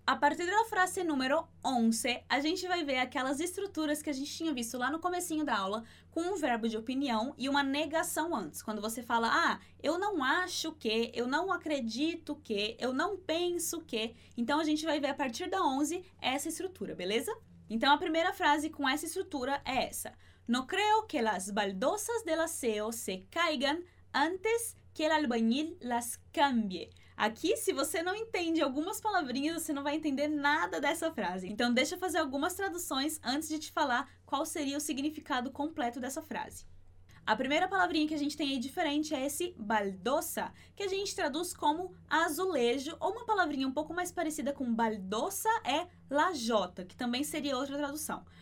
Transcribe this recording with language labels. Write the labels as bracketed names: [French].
[Portuguese] A partir da frase número 11, a gente vai ver aquelas estruturas que a gente tinha visto lá no comecinho da aula com um verbo de opinião e uma negação antes. Quando você fala, ah, eu não acho que, eu não acredito que, eu não penso que. Então, a gente vai ver a partir da 11 essa estrutura, beleza? Então, a primeira frase com essa estrutura é essa. [Spanish] No creo que las baldosas del aseo se caigan antes que el albañil las cambie. [Portuguese] Aqui, se você não entende algumas palavrinhas, você não vai entender nada dessa frase. Então, deixa eu fazer algumas traduções antes de te falar qual seria o significado completo dessa frase. A primeira palavrinha que a gente tem aí diferente é esse baldosa, que a gente traduz como azulejo, ou uma palavrinha um pouco mais parecida com baldosa é lajota, que também seria outra tradução.